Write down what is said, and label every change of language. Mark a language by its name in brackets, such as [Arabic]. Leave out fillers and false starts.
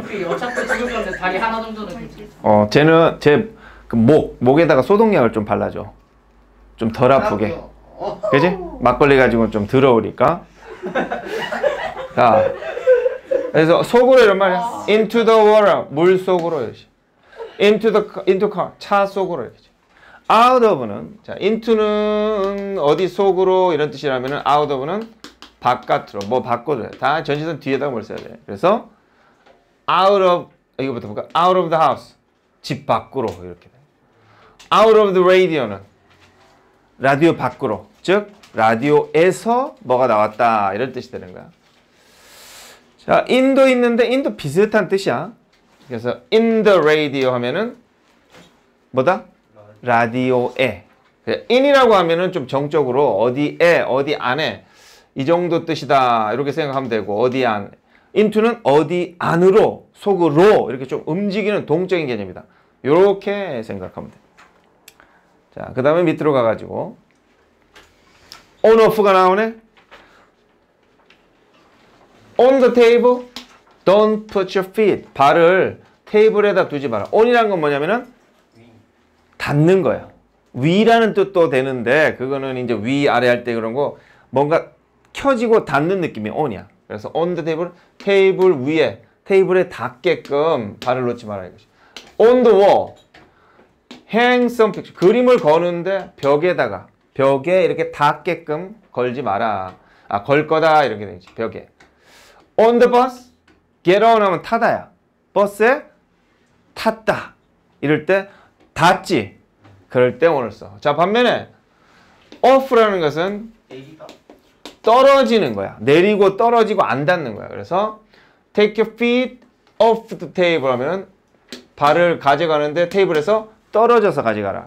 [Korean] 어차피 지금 현재 다리 하나 정도는 되지. 쟤는 쟤 그 목에다가 소독약을 좀 발라줘. 좀 덜 아프게. 그지? 막걸리 가지고 좀 더러우니까. 자, 그래서 속으로 이런 말이야. [English] Into the water, [Korean] 물 속으로. [English] Into car, [Korean] 차 속으로. Out of는, 자, into는 어디 속으로 이런 뜻이라면 out of는 바깥으로, 뭐 바꿔도 돼. 다 전시선 뒤에다가 뭘 써야 돼. 그래서 out of, 이거부터 볼까? [English] Out of the house, [Korean] 집 밖으로 이렇게 돼. [English] Out of the radio [Korean] 는 라디오 밖으로, 즉 라디오에서 뭐가 나왔다 이런 뜻이 되는 거야. 자, 인도 있는데 인도 비슷한 뜻이야. 그래서 [English] in the radio [Korean] 하면은 뭐다? 라디오에. 인이라고 하면은 좀 정적으로 어디에, 어디 안에 이 정도 뜻이다 이렇게 생각하면 되고, 어디 안, into는 어디 안으로, 속으로 이렇게 좀 움직이는 동적인 개념이다 이렇게 생각하면 돼. 자, 그 다음에 밑으로 가가지고 on off가 나오네. [English] On the table, don't put your feet. [Korean] 발을 테이블에다 두지 마라. On이라는 건 뭐냐면은 닿는 거야. 위라는 뜻도 되는데 그거는 이제 위 아래 할 때 그런 거, 뭔가 켜지고 닿는 느낌이 on이야. 그래서 [English] on the table, [Korean] 테이블 위에, 테이블에 닿게끔 발을 놓지 마라 이거지. [English] On the wall, hang some picture. [Korean] 그림을 거는데 벽에다가, 벽에 이렇게 닿게끔 걸지 마라. 아, 걸 거다 이렇게 되지, 벽에. [English] On the bus, get on [Korean] 하면 타다야. 버스에 탔다 이럴 때 닿지. 그럴 때 오늘 써. 자, 반면에 off라는 것은 떨어지는 거야. 내리고 떨어지고 안 닿는 거야. 그래서 [English] take your feet off the table [Korean] 하면 발을 가져가는데 테이블에서 떨어져서 가져가라.